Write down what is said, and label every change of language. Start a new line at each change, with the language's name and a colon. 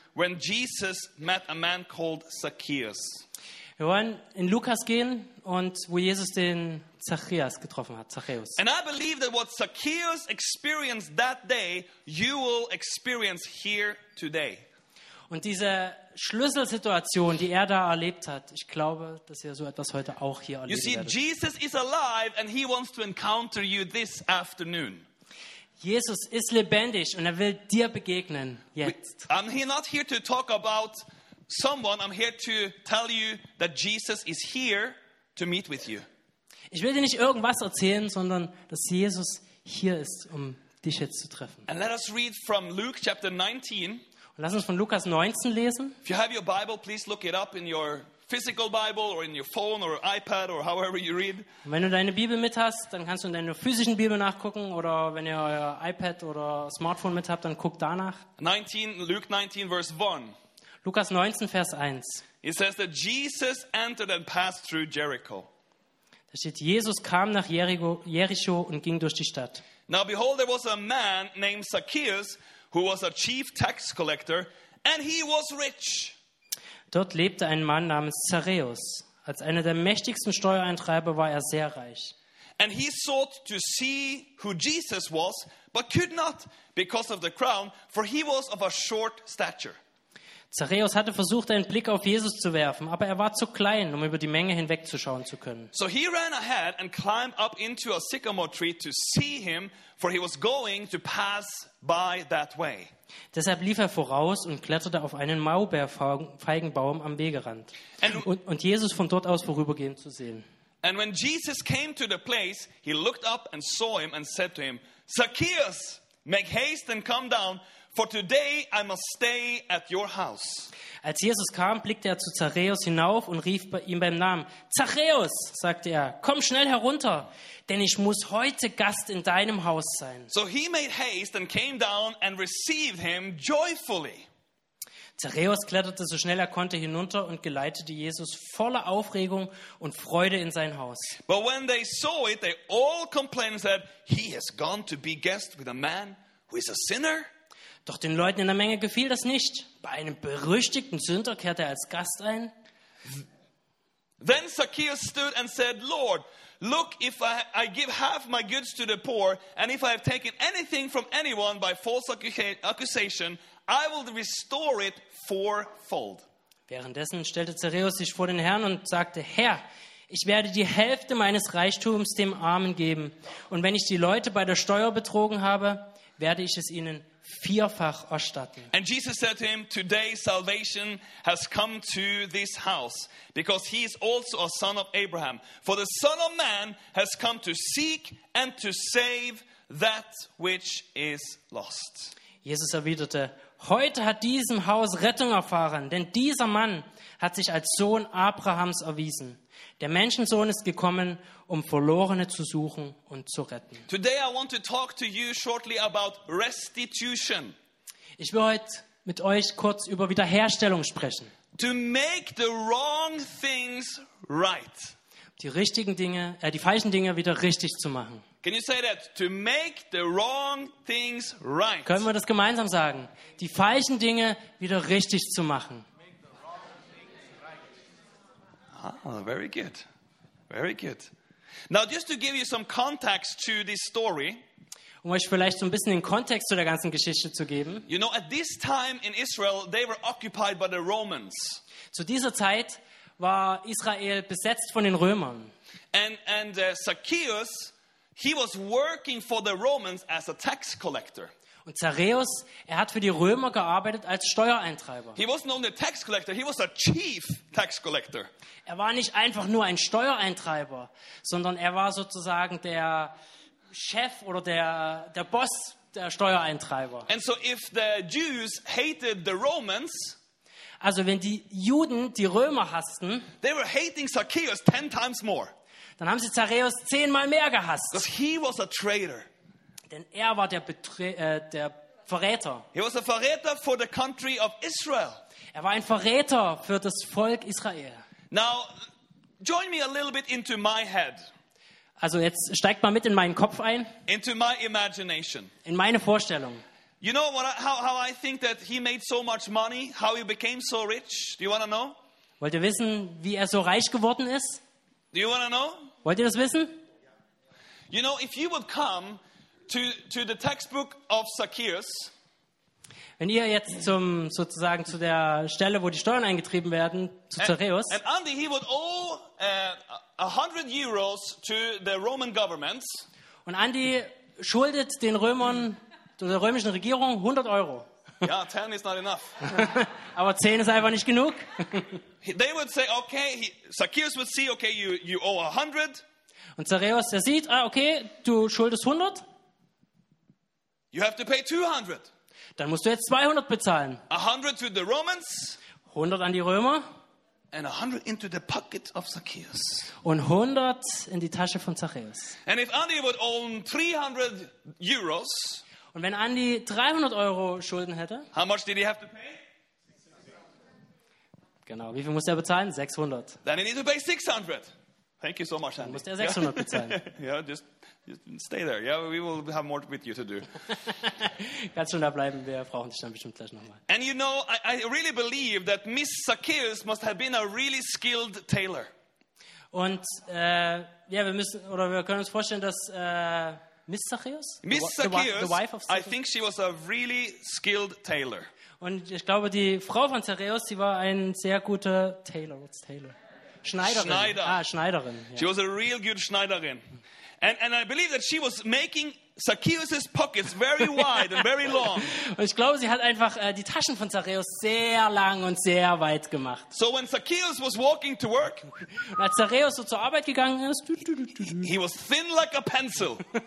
English: When Jesus met a man called Zacchaeus.
German: Wir wollen in Lukas gehen und wo Jesus den Zacchaeus getroffen hat, Zacchaeus.
English: And I believe that what Zacchaeus experienced that day, you will experience here today.
German: Und diese Schlüsselsituation, die da erlebt hat. Ich glaube, dass so etwas heute auch hier erleben werdet.
English: You see, Jesus is alive and he wants to encounter you this afternoon.
German: Jesus ist lebendig und will dir begegnen jetzt.
English: I'm not here to talk about someone. I'm here to tell you that Jesus is here to meet with you.
German: Ich will dir nicht irgendwas erzählen, sondern dass Jesus hier ist, dich jetzt zu treffen.
English: And let us read from Luke chapter 19.
German: Und lass uns von Lukas 19 lesen.
English: If you have your Bible, please look it up in your physical Bible or in your phone or iPad or however you read.
German: Und wenn du deine Bibel mit hast, dann kannst du in deiner physischen Bibel nachgucken, oder wenn ihr euer iPad oder Smartphone mit habt, dann guck danach.
English: Luke 19 verse 1.
German: Lukas 19 Vers 1.
English: It says that Jesus entered and passed through Jericho.
German: Da steht, Jesus kam nach Jericho und ging durch die Stadt.
English: Now behold, there was a man named Zacchaeus, who was a chief tax collector, and he was rich.
German: Dort lebte ein Mann namens Zacchaeus. Als einer der mächtigsten Steuereintreiber war sehr reich.
English: And he sought to see who Jesus was, but could not because of the crowd, for he was of a short stature.
German: Zacchaeus hatte versucht, einen Blick auf Jesus zu werfen, aber war zu klein, über die Menge hinwegzuschauen zu können.
English: So he ran ahead and climbed up into a sycamore tree to see him, for he was going to pass by that way.
German: Deshalb lief voraus und kletterte auf einen Maulbeerfeigenbaum am Wegerand, und Jesus von dort aus vorübergehen zu sehen.
English: And when Jesus came to the place, he looked up and saw him and said to him, Zacchaeus, make haste and come down. For today I must stay at your house.
German: Als Jesus kam, blickte zu Zacchaeus hinauf und rief ihm beim Namen. Zacchaeus, sagte komm schnell herunter, denn ich muss heute Gast in deinem Haus sein.
English: So he made haste and came down and received him joyfully.
German: Zacchaeus kletterte so schnell konnte hinunter und geleitete Jesus voller Aufregung und Freude in sein Haus.
English: But when they saw it, they all complained that he has gone to be guest with a man who is a sinner.
German: Doch den Leuten in der Menge gefiel das nicht. Bei einem berüchtigten Sünder kehrte als Gast ein.
English: Then Zacchaeus stood and said, Lord, look, if I give half my goods to the poor, and if I have taken anything from anyone by false accusation, I will restore it fourfold.
German: Währenddessen stellte Zacchaeus sich vor den Herrn und sagte, Herr, ich werde die Hälfte meines Reichtums dem Armen geben. Und wenn ich die Leute bei der Steuer betrogen habe, werde ich es ihnen vierfach erstatten.
English: And Jesus said to him, today salvation has come to this house, because he is also a son of Abraham. For the Son of Man has come to seek and to save that which is lost.
German: Jesus erwiderte, heute hat diesem Haus Rettung erfahren, denn dieser Mann hat sich als Sohn Abrahams erwiesen. Der Menschensohn ist gekommen, Verlorene zu suchen und zu retten.
English: Today I want to talk to you shortly about restitution.
German: Ich will heute mit euch kurz über Wiederherstellung sprechen.
English: To make the wrong things right.
German: Die falschen Dinge wieder richtig zu machen.
English: Can you say that? To make the wrong things right.
German: Können wir das gemeinsam sagen? Die falschen Dinge wieder richtig zu machen.
English: Oh, very good. Very good. Now, just to give you some context to this story.
German: Euch vielleicht so ein bisschen den Kontext zu der ganzen Geschichte zu geben.
English: You know, at this time in Israel, they were occupied by the Romans.
German: Zu dieser Zeit war Israel besetzt von den Römern.
English: And Zacchaeus, he was working for the Romans as a tax collector.
German: Und Zacchaeus, hat für die Römer gearbeitet als Steuereintreiber.
English: He wasn't only a tax collector, he was a chief tax collector.
German: Er war nicht einfach nur ein Steuereintreiber, sondern war sozusagen der Chef oder der Boss der Steuereintreiber.
English: And so if the Jews hated the Romans,
German: also wenn die Juden die Römer hassten,
English: they were hating Zacchaeus 10 times more.
German: Dann haben sie Zacchaeus 10-mal mehr gehasst.
English: Because he was a traitor.
German: Denn war der Verräter.
English: He was a Verräter for the country of Israel.
German: War ein Verräter für das Volk Israel.
English: Now, join me a little bit into my head.
German: Also jetzt steigt mal mit in meinen Kopf ein.
English: Into my imagination.
German: In meine Vorstellung.
English: You know what? How I think that he made so much money, how he became so rich. Do you want to know?
German: Wollt ihr wissen, wie so reich geworden ist?
English: Do you want to know?
German: Wollt ihr das wissen?
English: You know, if you would come to the textbook of Zacchaeus.
German: Wenn ihr jetzt sozusagen zu der Stelle, wo die Steuern eingetrieben werden, zu Zachäus.
English: And Andy, he would owe 100 euros to the Roman government.
German: Und Andy schuldet den Römern, der römischen Regierung, 100 Euro.
English: Ja, yeah, 10 is not enough.
German: Aber 10 ist einfach nicht genug.
English: They would say, okay, Zacchaeus would see, okay, you owe 100.
German: Und Zacchaeus, der sieht, okay, du schuldest 100.
English: You have to pay 200.
German: Dann musst du jetzt 200 bezahlen.
English: 100 to the Romans.
German: 100 an die Römer.
English: And 100 into the pocket of Zacchaeus.
German: Und 100 in die Tasche von Zacchaeus.
English: And if Andy would own 300 euros.
German: Und wenn Andy 300 Euro Schulden hätte.
English: How much did he have to pay?
German: Genau, wie viel musste er bezahlen?
English: 600. Then he needs to pay 600. Thank you so much, Andy.
German: Dann musste er 600 bezahlen.
English: Yeah, just stay there. Yeah, we will have more with you to do.
German: Kannst schon da bleiben, wir brauchen dich dann bestimmt gleich nochmal.
English: And you know, I really believe that Miss Zacchaeus must have been a really skilled tailor.
German: Und ja, wir müssen oder wir können uns vorstellen, dass Miss Zacchaeus?
English: Miss Zacchaeus, the wife of Zacchaeus? I think she was a really skilled tailor.
German: Und ich glaube, die Frau von Zacchaeus, sie war ein sehr guter Tailor.
English: What's Tailor? Schneiderin.
German: Schneider. Ah, Schneiderin. Ja.
English: She was a real good Schneiderin. And I believe that she was making Zacchaeus' pockets very wide and very long.
German: Und ich glaube, sie hat einfach die Taschen von Zacchaeus sehr lang und sehr weit gemacht.
English: So when Zacchaeus was walking to work,
German: als Zacchaeus so zur Arbeit gegangen ist,
English: he was thin like a pencil.